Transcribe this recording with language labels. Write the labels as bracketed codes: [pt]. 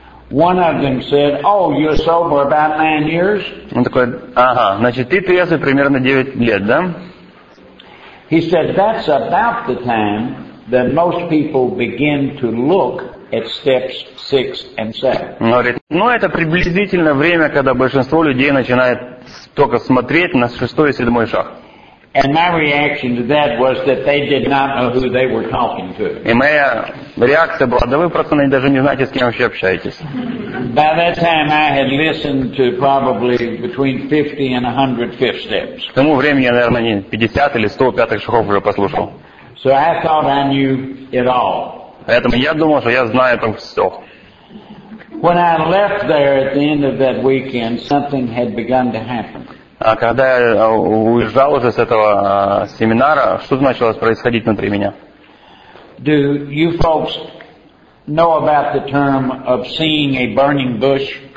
[en] One of them said, "Oh, you're sober about 9 years?" [ru] Он такой: "Ага, значит, ты трезвый примерно 9 лет, да?" [en] He said, "That's about the time that most people begin to look at steps 6 and 7." [ru] Говорит: "Ну, это приблизительно время, когда большинство людей начинает только смотреть на 6-й и 7-й шаг." [en] And my reaction to that was that they did not know who they were talking to. [ru] И моя реакция была: "Да вы просто даже не знаете, с кем вообще общаетесь." [en] By that time, I had listened to probably between 50 and 100 fifth steps. [ru] К тому времени я, наверное, не 50 или 105 шагов уже послушал. [en] So I thought I knew it all. [ru] Поэтому я думал, что я знаю там все. [en] When I left there at the end of that weekend, something had begun to happen. [ru] А когда я уезжал уже с этого семинара, что началось происходить внутри меня? [en] Do you folks know about the term of seeing a burning bush?